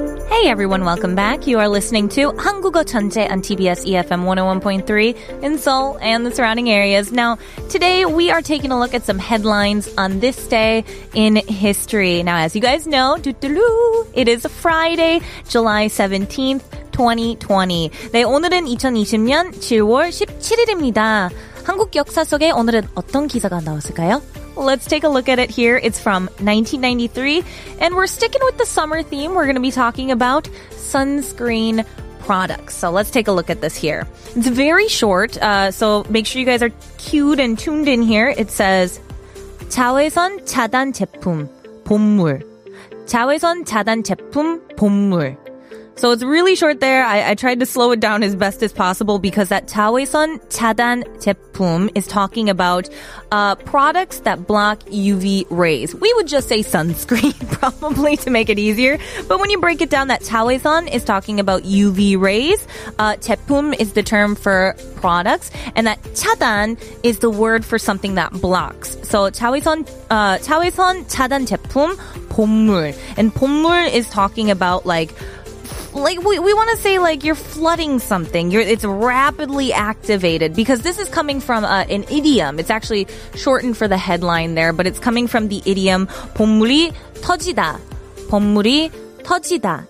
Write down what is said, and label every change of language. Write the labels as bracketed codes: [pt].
[en] Hey everyone, welcome back. You are listening to 한국어 전체 on TBS EFM 101.3 in Seoul and the surrounding areas. Now, today we are taking a look at some headlines on this day in history. Now, as you guys know, it is Friday, July 17th, 2020. [ko] 네, 오늘은 2020년 7월 17일입니다. 한국 역사 속에 오늘은 어떤 기사가 나왔을까요? [en] Let's take a look at it here. It's from 1993, and we're sticking with the summer theme. We're going to be talking about sunscreen products. So let's take a look at this here. It's very short, so make sure you guys are cued and tuned in here. It says, [ko] 자외선 차단 제품, 봄물. 자외선 차단 제품, 봄물. [en] So it's really short there. I tried to slow it down as best as possible because that [ko] 자외선 차단 제품 [en] is talking about products that block UV rays. We would just say sunscreen probably to make it easier. But when you break it down, that 자외선 is talking about UV rays. 제품 is the term for products. And that 차단 is the word for something that blocks. [ko] So 자외선 차단 제품 봄물. [en] And 봄물 is talking about like we want to say like you're flooding something. It's rapidly activated because this is coming from an idiom. It's actually shortened for the headline there, but it's coming from the idiom [ko] 봄물이 터지다. 봄물이 터지다.